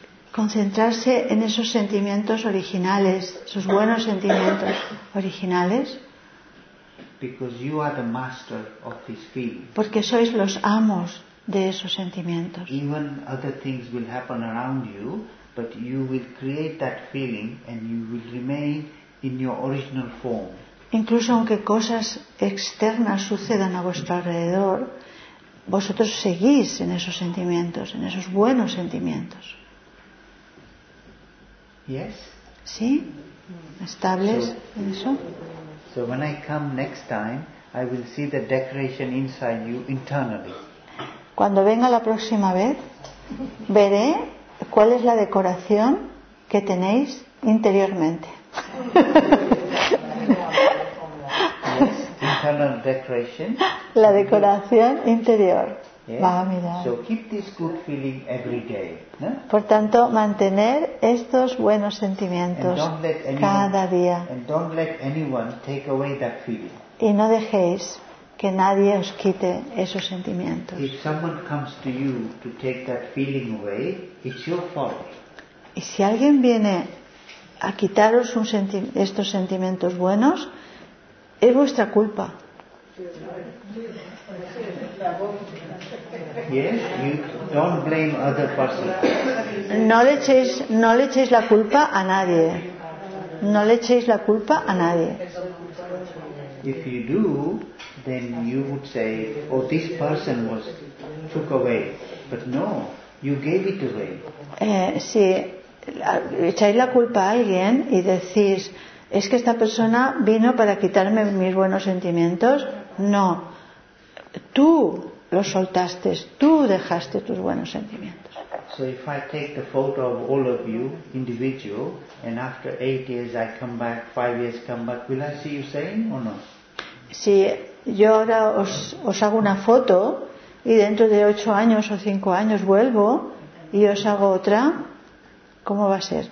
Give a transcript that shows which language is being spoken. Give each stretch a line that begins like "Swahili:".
Spanish: Concentrarse en esos sentimientos originales, esos buenos sentimientos originales.
English: Because you are the master of this feeling.
Spanish: Porque sois los amos de esos sentimientos.
English: Even other things will happen around you, but you will create that feeling and you will remain in your original form.
Spanish: Incluso aunque cosas externas sucedan a vuestro alrededor, vosotros seguís en esos sentimientos, en esos buenos sentimientos.
English: Yes.
Spanish: Sí. Estables. So, en eso.
English: So when I come next time, I will see the decoration inside you internally.
Spanish: Cuando venga la próxima vez, veré cuál es la decoración que tenéis interiormente.
English: Internal decoration.
Spanish: La decoración interior.
English: Yes.
Spanish: Va a mirar.
English: So keep this good feeling every day, no?
Spanish: Por tanto, mantener estos buenos sentimientos cada día.
English: And don't let anyone take away that feeling.
Spanish: Y no dejéis que nadie os quite esos sentimientos.
English: If someone comes to you to take that feeling away, it's your fault.
Spanish: Y si alguien viene a quitaros estos sentimientos buenos, es vuestra culpa.
English: Yes, you don't blame other person.
Spanish: No le echéis la culpa a nadie. No le echéis la culpa a nadie.
English: If you do, then you would say, oh, this person was took away. But no, you gave it away.
Spanish: Si echáis la culpa a alguien y decís, es que esta persona vino para quitarme mis buenos sentimientos, no. Tú los soltaste, tú dejaste tus buenos sentimientos.
English: So if I take the photo of all of you individual and after 8 years I come back, 5 years come back, will I see you same or no?
Spanish: Si yo ahora os hago una foto y dentro de 8 años o 5 años vuelvo y os hago otra, ¿cómo va a ser?